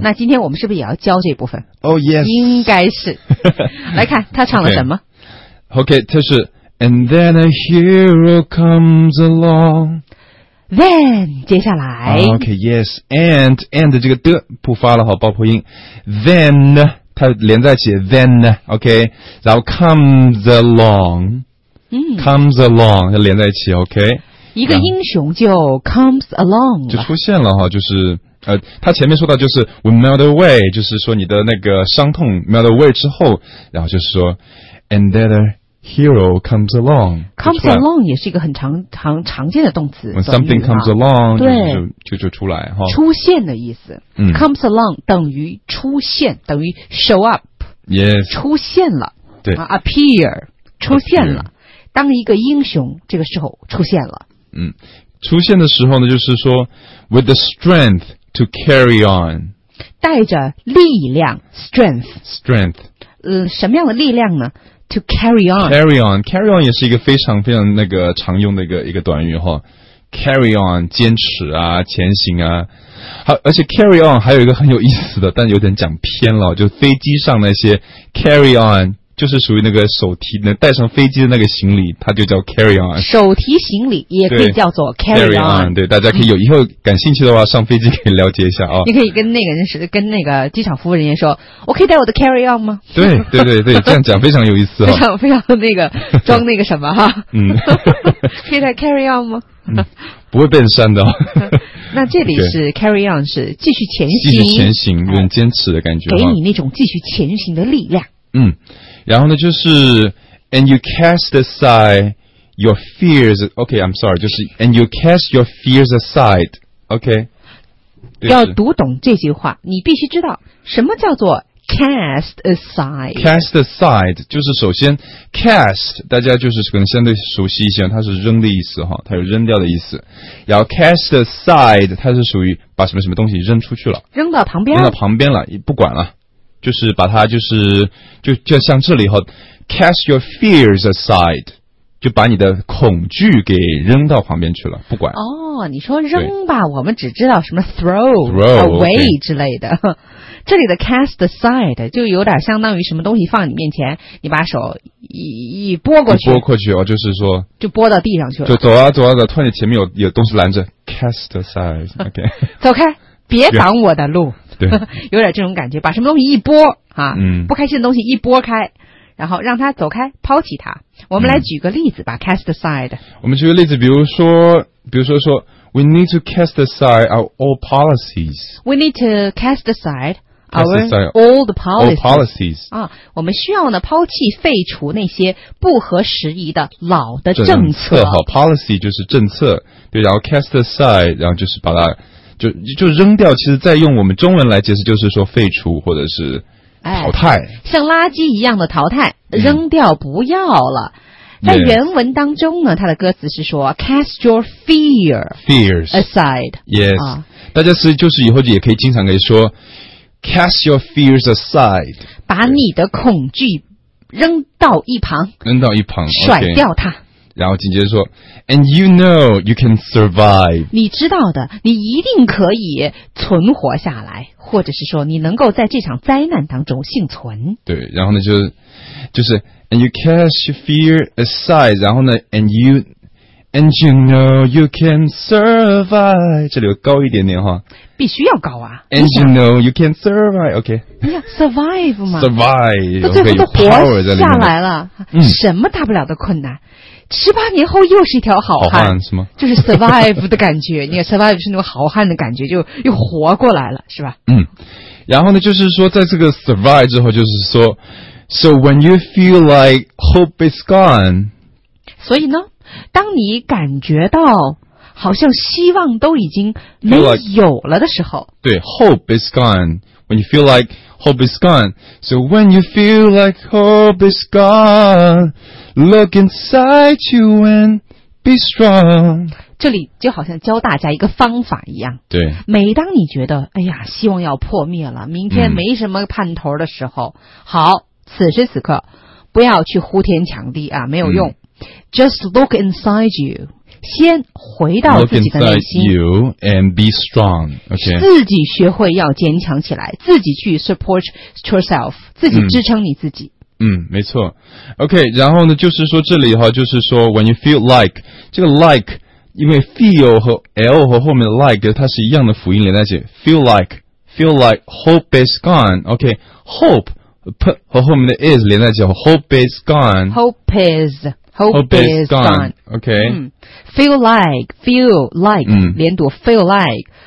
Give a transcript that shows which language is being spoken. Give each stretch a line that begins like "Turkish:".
Chinese: 那今天我们是不是也要教这部分
English: ？Oh yes，
Chinese: 应该是。来看他唱了什么
English: ？OK，
Chinese: 他是
English: And then a hero comes along。
Chinese: Then 接下来。
English: OK yes and
Chinese: 这个的不发了哈，爆破音。 Then 呢？它连在一起
English: then OK
Chinese: 然后
English: comes along、嗯、 comes along
Chinese: 它连在一起 OK 一个英雄就
English: comes along
Chinese: 就出现了哈，就是他前面说到就是
English: we melt away
Chinese: 就是说你的那个伤痛
English: melt away
Chinese: 之后然后就是说
English: and then a hero comes along comes along
Chinese: 也是一个很常见的动词
English: when something comes along
Chinese: 对就出来哈，出现的意思
English: comes along
Chinese: 等于出现，等于
English: show up， yes，
Chinese: 出现了，对、 appear 出现了， appear. 当一个英雄这个时候出现了，出现的时候呢，就是说
English: with the strength to carry on，
Chinese: 带着力量 strength， 什么样的力量呢 ？
English: To carry
Chinese: on，
English: carry on
Chinese: 也是一个非常非常那个常用的一个短语哈。
English: carry on
Chinese: 坚持啊前行啊好而且 carry on 还有一个很有意思的但有点讲偏了就飞机上那些 carry on 就是属于那个手提那带上飞机的那个行李它就叫 carry on 手提行李也可以叫做
English: carry on
Chinese: 对大家可以有以后感兴趣的话上飞机可以了解一下你可以跟那个机场服务人员说我可以带我的
English: carry on
Chinese: 吗对这样讲非常有意思非常那个装那个什么哈可以带
English: carry on
Chinese: 吗不会变山的、那这里是
English: carry on
Chinese: 是继续前行继续前行有点坚持的感觉给你那种继续前行的力量然后呢就是
English: and you cast aside your fears OK I'm sorry
Chinese: 就是
English: and you cast your fears aside OK
Chinese: 要读懂这句话你必须知道什么叫做
English: cast aside
Chinese: 就是首先 cast 大家就是可能相对熟悉一些它是扔的意思它有扔掉的意思然后
English: cast aside
Chinese: 它是属于把什么什么东西扔出去了扔到旁边扔到旁边了不管了就是把它就像这里以后
English: cast your fears aside
Chinese: 就把你的恐惧给扔到旁边去了不管你说扔吧我们只知道什么
English: throw away、 okay.
Chinese: 之类的这里的 cast aside 就有点相当于什么东西放你面前你把手一拨过去拨过去就是说就拨到地上去了就走啊突然前面有东西拦着
English: cast aside、okay、
Chinese: 走开别挡我的路对有点这种感觉把什么东西一拨不开心的东西一拨开然后让他走开抛弃他我们来举个例子吧
English: cast aside 我们举个例子比如说 we need to cast aside our old policies we need to cast aside Our old policies
Chinese: 啊，我们需要呢抛弃废除那些不合时宜的老的政策。好 ，policy 就是政策，对，然后
English: cast aside，
Chinese: 然后就是把它就扔掉。其实，在用我们中文来解释，就是说废除或者是淘汰，像垃圾一样的淘汰，扔掉不要了。
English: 在原文当中呢，它的歌词是说 cast your fears aside。
Chinese: Yes，大家是就是以后也可以经常可以说。
English: Cast your fears aside
Chinese: 把你的恐惧扔到一旁甩掉它、
English: okay、
Chinese: 然后紧接着说
English: And you know you can survive
Chinese: 你知道的你一定可以存活下来或者是说你能够在这场灾难当中幸存对然后呢就是
English: And you cast your fear aside
Chinese: 然后呢
English: And you know you can survive
Chinese: 这里有高一点点哈必须要高啊
English: And you know you can survive OK
Chinese: 你想 survive 吗
English: Survive
Chinese: 那最后都活下来了什么大不了的困难十八年后又是一条好汉好汉是吗就是 survive 的感觉你看 survive 是那种好汉的感觉就又活过来了是吧然后呢就是说在这个
English: survive
Chinese: 之后就是说
English: So when you feel like hope is gone
Chinese: 所以呢当你感觉到好像希望都已经没有了的时候，对 ，hope is gone.
English: When you feel like hope is gone, so when you feel like hope is gone, look inside you and be strong.
Chinese: 这里就好像教大家一个方法一样。对，每当你觉得哎呀，希望要破灭了，明天没什么盼头的时候，好，此时此刻不要去呼天抢地啊，没有用。
English: Just look inside you.
Chinese: 先回到自己的内心。
English: Look inside you and be strong. Okay.
Chinese: 自己学会要坚强起来，自己去
English: support yourself,
Chinese: 自己支撑你自己。没错。 Okay, 然后呢，就是说这里哈，就是说
English: when you feel like,
Chinese: 这个 like, 因为 feel 和 L 和后面的 like, 它是一样的辅音连在一起。
English: feel like hope is gone. Okay, hope, p
Chinese: 和后面的
English: is
Chinese: 连在一起，
English: hope is gone. Hope is. Hope is gone. Okay. Feel like,
Chinese: 连读
English: feel like.